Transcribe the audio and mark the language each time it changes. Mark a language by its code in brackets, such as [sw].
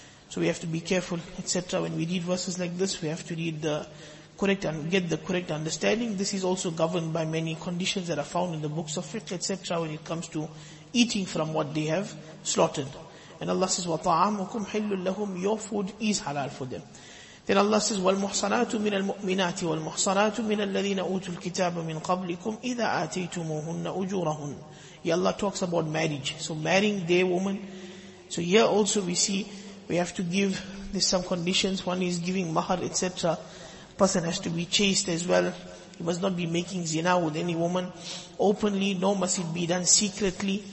[en] So we have to be careful, etc. When we read verses like this, we have to read the correct and get the correct understanding. This is also governed by many conditions that are found in the books of fiqh, etc. when it comes to eating from what they have slaughtered. And Allah says, [ar] وَطَعَامُكُمْ حِلٌّ لَهُمْ. [en] Your food is halal for them. [ar] Then Allah says, وَالْمُحْصَنَاتُ مِنَ الْمُؤْمِنَاتِ وَالْمُحْصَنَاتُ مِنَ الَّذِينَ أُوتُوا الْكِتَابَ مِنْ قَبْلِكُمْ إِذَا آتَيْتُمُوهُنَّ أُجُورَهُنَّ. [en] Yeah, Allah talks about marriage. So marrying their woman. So here also we see, we have to give this some conditions. One is giving mahar, etc. Person has to be chaste as well. He must not be making zina with any woman openly, nor must it be done secretly.